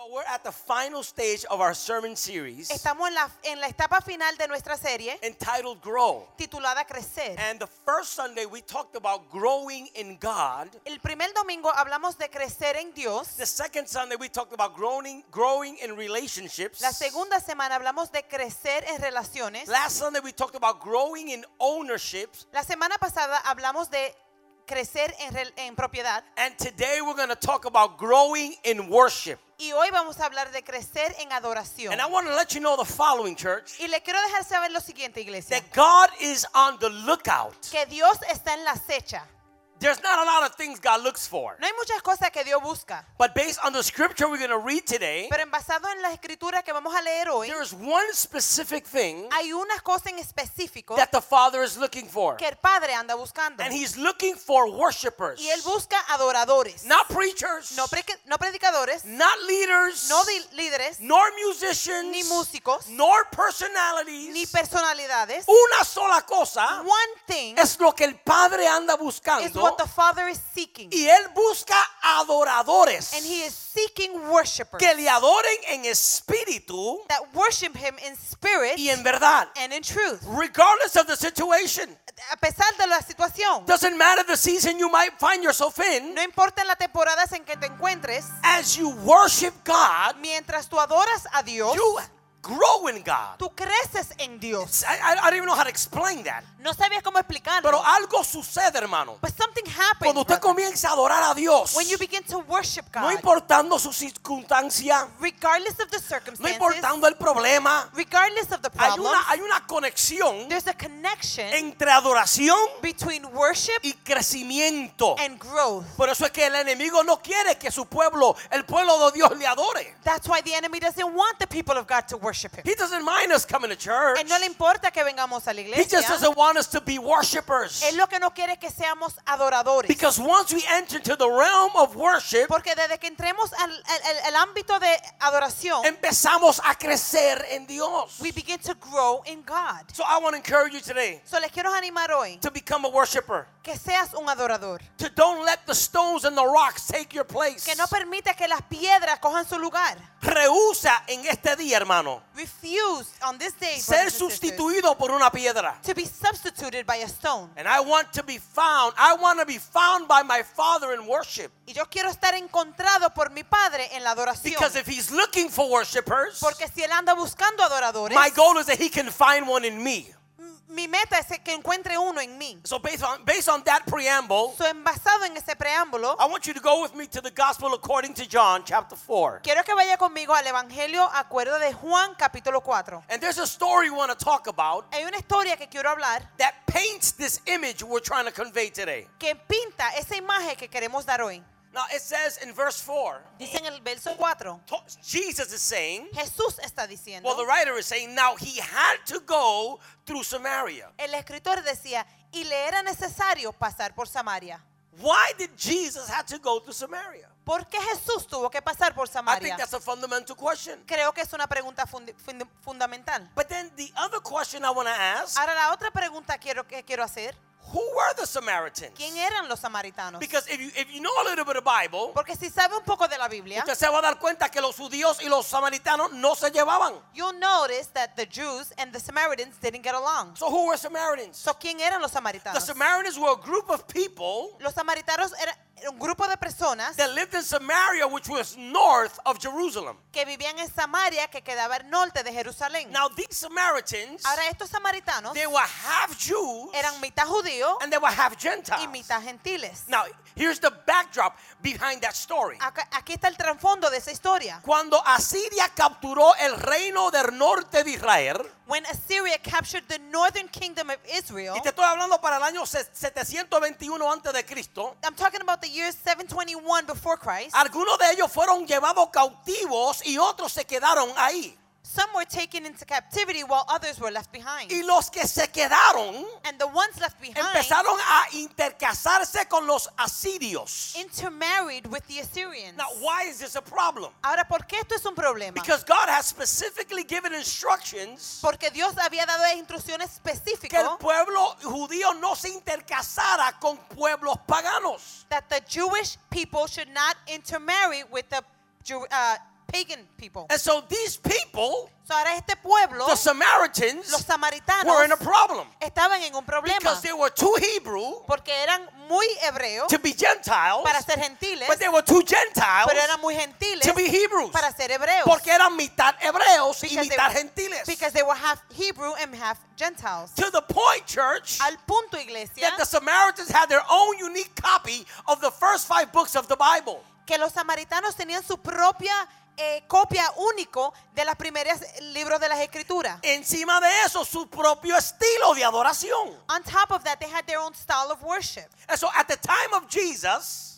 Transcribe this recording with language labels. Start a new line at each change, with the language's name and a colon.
English: we're at the final stage of our sermon series.
Spanish: Estamos en la etapa final de nuestra serie
English: entitled Grow.
Spanish: Titulada Crecer.
English: And the first Sunday we talked about growing in God.
Spanish: El primer domingo hablamos de crecer en Dios.
English: The second Sunday we talked about growing in relationships.
Spanish: La segunda semana hablamos de crecer en relaciones.
English: Last Sunday we talked about growing in ownerships.
Spanish: La semana pasada hablamos de crecer en propiedad.
English: And today we're going to talk about growing in worship.
Spanish: Y hoy vamos a hablar de crecer en adoración.
English: And I want to let you know the following, church.
Spanish: Y le quiero dejar saber lo siguiente, iglesia.
English: That God is on the lookout.
Spanish: Que Dios está en la acecha.
English: There's not a lot of things God looks for.
Spanish: No hay muchas cosas que Dios busca.
English: But based on the scripture we're going to read today,
Spanish: pero basado en la escritura que vamos a leer hoy,
English: there's one specific thing,
Spanish: hay una cosa en específico,
English: that the Father is looking for.
Spanish: Que el Padre anda buscando.
English: And he's looking for worshipers.
Spanish: Y él busca adoradores.
English: Not preachers.
Spanish: No predicadores.
English: Not leaders.
Spanish: No líderes.
English: Nor musicians.
Spanish: Ni músicos.
English: Nor personalities.
Spanish: Ni personalidades. Una sola cosa.
English: One thing.
Spanish: Es lo que el Padre anda buscando.
English: What the Father is seeking.
Spanish: Y él busca adoradores.
English: And he is seeking worshipers.
Spanish: Que le adoren en espíritu.
English: That worship him in spirit.
Spanish: Y en verdad.
English: And in truth. Regardless of the situation.
Spanish: A pesar de la situación.
English: Doesn't matter the season you might find yourself in.
Spanish: No importa la temporada en que te encuentres.
English: As you worship God.
Spanish: Mientras tú adoras a Dios.
English: You grow in God.
Spanish: Tú creces en Dios.
English: I don't even know how to explain that.
Spanish: No sabía cómo explicarlo. Pero algo sucede, hermano.
English: But something happens.
Spanish: Cuando usted comienza a adorar a Dios.
English: When you begin to worship God.
Spanish: No importando su circunstancia.
English: Regardless of the circumstances.
Spanish: No importando el problema.
English: Regardless of the problem.
Spanish: Hay una conexión.
English: There's a connection.
Spanish: Entre adoración.
English: Between worship.
Spanish: Y crecimiento.
English: And growth.
Spanish: Por eso es que el enemigo no quiere que su pueblo, el pueblo de Dios, le adore.
English: That's why the enemy doesn't want the people of God to worship him. He doesn't mind us coming to church.
Spanish: Él no le importa que vengamos a la iglesia.
English: He just doesn't want us to be worshipers.
Spanish: Él lo que no quiere es que seamos adoradores.
English: Because once we enter into the realm of worship,
Spanish: porque desde que entremos al ámbito de adoración, empezamos a crecer en Dios.
English: We begin to grow in God. So I want to encourage you today.
Spanish: So les quiero animar hoy.
English: To become a worshiper.
Spanish: Que seas un adorador.
English: To don't let the stones and the rocks take your place.
Spanish: Que no permita que las piedras cojan su lugar. Rehúsa en este día, hermano.
English: Refuse on this day.
Spanish: Ser sustituido por una piedra.
English: To be substituted by a stone. And I want to be found. I want to be found by my Father in worship.
Spanish: Y yo quiero estar encontrado por mi Padre en la adoración.
English: Because if he's looking for worshipers,
Spanish: porque si él anda buscando adoradores,
English: my goal is that he can find one in me.
Spanish: Mi meta es que encuentre uno en mí.
English: So based on that preamble,
Spanish: so basado en ese preámbulo,
English: I want you to go with me to the Gospel according to John, chapter 4.
Spanish: Quiero que vaya conmigo al Evangelio acuerdo de Juan, capítulo 4.
English: And there's a story we want to talk about.
Spanish: Hay una historia que quiero hablar.
English: That paints this image we're trying to convey today.
Spanish: Que pinta esa imagen que queremos dar hoy.
English: Now it says in verse 4.
Spanish: Dice en el verso 4.
English: Jesus is saying.
Spanish: Jesús está diciendo.
English: Well, the writer is saying, now he had to go through Samaria.
Spanish: El escritor decía, y le era necesario pasar por Samaria.
English: Why did Jesus have to go through Samaria?
Spanish: ¿Por qué Jesús tuvo que pasar por Samaria?
English: I think that's a fundamental question.
Spanish: Creo que es una pregunta fundamental.
English: But then the other question I want to ask.
Spanish: Ahora la otra pregunta quiero hacer.
English: Who were the Samaritans?
Spanish: ¿Quién eran los samaritanos?
English: Because if you know a little bit of Bible,
Spanish: porque si sabe un poco de la Biblia, usted se va a dar cuenta que los judíos y los samaritanos no se llevaban.
English: You'll notice that the Jews and the Samaritans didn't get along. So who were Samaritans?
Spanish: So ¿quién eran los samaritanos?
English: The Samaritans were a group of people.
Spanish: Los samaritanos eran un grupo de personas.
English: That lived in Samaria, which was north of Jerusalem.
Spanish: Que vivían en Samaria, que quedaba al norte de Jerusalén.
English: Now these Samaritans,
Spanish: ahora estos samaritanos,
English: they were half Jews.
Spanish: Eran mitad judíos.
English: And they were half Gentiles.
Spanish: Y mitad gentiles.
English: Now, here's the backdrop behind that story.
Spanish: Aquí está el trasfondo de esa historia. Cuando Asiria capturó el reino del norte de Israel.
English: When Assyria captured the northern kingdom of Israel.
Spanish: Y te estoy hablando para el año 721 antes de Cristo.
English: I'm talking about the year 721 before Christ.
Spanish: Algunos de ellos fueron llevados cautivos y otros se quedaron ahí.
English: Some were taken into captivity while others were left behind.
Spanish: Y los que se quedaron,
English: and the ones left behind,
Spanish: empezaron a intercasarse con los asirios.
English: Intermarried with the Assyrians. Now, why is this a problem?
Spanish: Ahora, ¿por qué esto es un problema?
English: Because God has specifically given instructions.
Spanish: Porque Dios había dado instrucciones específicas. Que el pueblo judío no se intercasara con pueblos paganos.
English: That the Jewish people should not intermarry with the pagan people. And so these people,
Spanish: so ahora este pueblo,
English: the Samaritans,
Spanish: los samaritanos,
English: were in a problem.
Spanish: Estaban en un problema.
English: Because they were too Hebrew,
Spanish: porque eran muy hebreos,
English: to be Gentiles,
Spanish: para ser gentiles,
English: but they were too Gentiles,
Spanish: pero eran muy gentiles,
English: to be Hebrews,
Spanish: para ser hebreos, porque eran mitad hebreos y mitad gentiles.
English: Because they were half Hebrew and half Gentiles. To the point, church,
Spanish: al punto, iglesia,
English: that the Samaritans had their own unique copy of the first five books of the Bible.
Spanish: Que los samaritanos tenían su propia copia único de las primeras libros de las escrituras. Encima de eso, su propio estilo de adoración.
English: On top of that, they had their own style of worship. And so at the time of Jesus,